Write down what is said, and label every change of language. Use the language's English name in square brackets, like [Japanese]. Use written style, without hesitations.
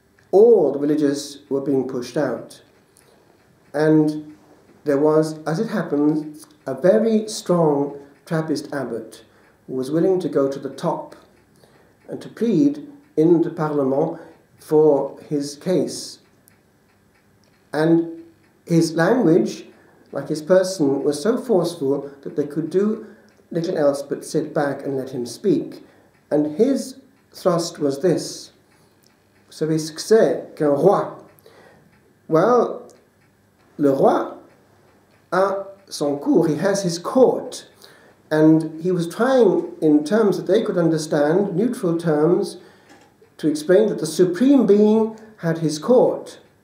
[English] All the religious were being pushed out. And there was, as it happened, a very strong Trappist abbot who was willing to go to the top and to plead in the Parlement for his case. And his language, like his person, was so forceful that they could do little else but sit back and let him speak. And his thrust was this. [French] Vous savez ce que c'est qu'un roi? [English] Well, [French] le roi a son cour, [English] he has his court. And he was trying, in terms that they could understand, neutral terms, to explain that the supreme being had his court.